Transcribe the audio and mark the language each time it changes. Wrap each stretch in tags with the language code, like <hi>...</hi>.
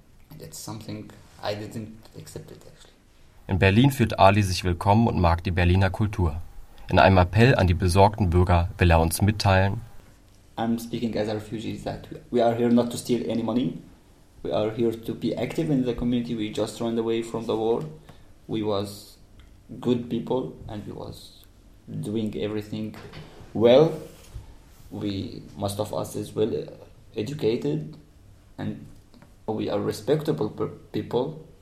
<en>And it's something I didn't accept it actually.</en> <de>In Berlin fühlt Ali sich willkommen und mag die Berliner Kultur. In einem Appell an die besorgten Bürger will er uns mitteilen:</de> <en>I'm speaking as a refugee that we are here not to steal any money. We are here to be active in the community. We just ran away from the war. We was good people and we was doing everything well. We, most of us is well educated and we are respectable people.</en>